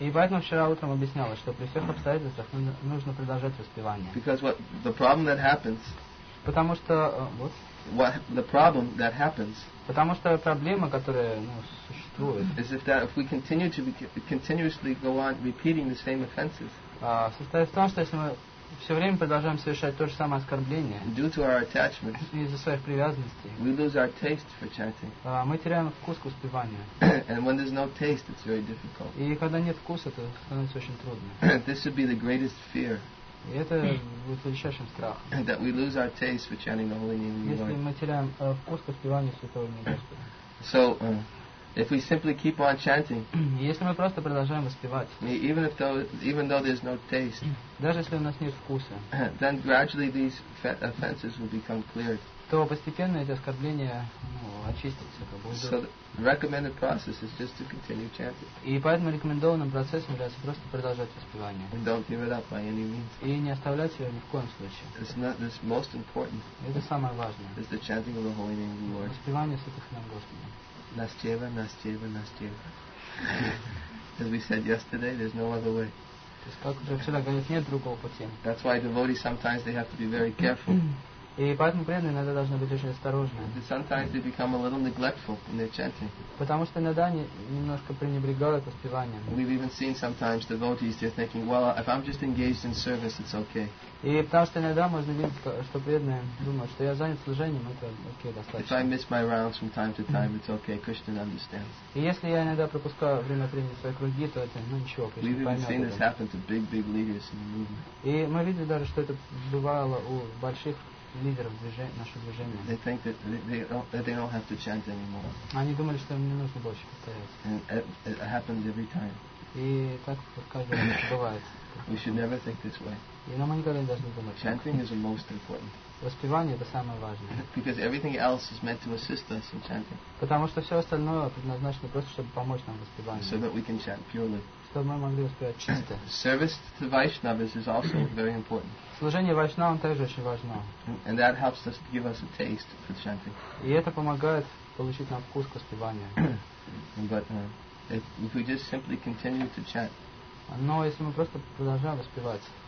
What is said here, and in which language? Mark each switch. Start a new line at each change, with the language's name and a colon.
Russian: И поэтому вчера утром объяснялось, что при всех обстоятельствах нужно продолжать воспевание.
English: Because what the problem that happens.
Russian: Потому что вот.
English: What the problem that happens.
Russian: Потому что проблема, которая, ну, существует.
English: Is if we continue to continuously go on repeating the same offenses.
Russian: Состоит в том, что если мы все время продолжаем совершать то же самое оскорбление.
English: Due to our attachment.
Russian: Из-за своих привязанностей.
English: We lose our taste for chanting.
Russian: Мы теряем вкус к воспеванию.
English: And when there's no taste, it's very difficult.
Russian: И когда нет вкуса, это становится очень трудно.
English: This would be the greatest fear.
Russian: И это будет величайшим страхом.
English: That we lose our taste for chanting the holy name of the Lord.
Russian: Если мы теряем вкус к воспеванию святого имени Господа.
English: So, if we simply keep on chanting.
Russian: Если мы просто продолжаем воспевать.
English: Even though there's no taste.
Russian: Даже если у нас нет вкуса.
English: Then gradually these offenses will become cleared.
Russian: То постепенно эти оскорбления, ну, очистятся.
English: So the recommended process is just to continue chanting.
Russian: И поэтому рекомендованным процессом является просто продолжать воспевание.
English: And don't give it up by any means.
Russian: И не оставлять себя ни в коем случае.
English: It's most important.
Russian: Это самое важное.
English: Is the chanting of the holy name of the Lord.
Russian: Воспевание святых имен Господа.
English: Nascheva, Nascheva, Nascheva. As we said yesterday, there's no other way. That's why devotees sometimes they have to be very careful.
Russian: И поэтому преданные иногда должны быть очень осторожны.
English: Sometimes they become a little neglectful in their chanting.
Russian: Потому что иногда они немножко пренебрегают воспеванием.
English: We've even seen sometimes devotees, they're thinking, well, if I'm just engaged in service, it's okay.
Russian: И потому что иногда можно видеть, что преданные думают, что я занят служением, это окей, достаточно.
English: If I miss my rounds from time to time, it's okay, Krishna understands.
Russian: И если я иногда пропускаю время времени свои круги, то это, ну, ничего, Кришна поймет.
English: We've even seen this happen to big, big leaders in the movement.
Russian: И мы видели даже, что это бывало у больших лидеров движения, нашего движения.
English: They think that they don't have to chant anymore.
Russian: Они думали, что им не нужно больше повторять.
English: And it happens every time.
Russian: И так каждый раз бывает.
English: We should never think this way.
Russian: И нам никогда не должны думать.
English: Chanting is the most important.
Russian: Воспевание это самое важное.
English: Because everything else is meant to assist us in chanting.
Russian: Потому что все остальное предназначено просто чтобы помочь нам в воспевании.
English: So that we can chant purely.
Russian: Чтобы мы могли воспевать чисто.
English: Service to Vaishnavas is also very important.
Russian: Служение Вайшнавам также очень важно.
English: And that helps us to give us a taste for chanting.
Russian: И это помогает получить нам вкус к воспеванию.
English: But if we just simply continue to chant.
Russian: Но если мы просто продолжаем воспевать.